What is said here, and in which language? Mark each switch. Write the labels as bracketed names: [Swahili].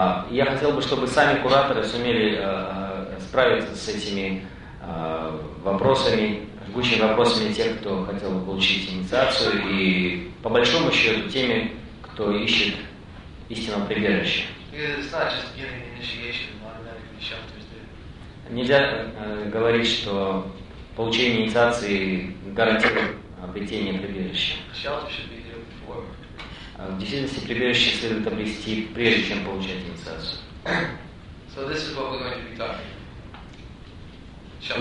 [Russian] Я хотел бы, чтобы сами кураторы сумели справиться с этими вопросами, жгучими вопросами тех, кто хотел бы получить инициацию, и по большому счету теми, кто ищет истинного прибежища. [English] It's not just giving initiation automatically shelters there. [Russian] Нельзя говорить, что получение инициации гарантирует обретение прибежища. [English] Shelter should be there before. [Russian] В действительности прибежище следует обрести прежде, чем получать инициацию. [English] So this is what we're going to be talking about.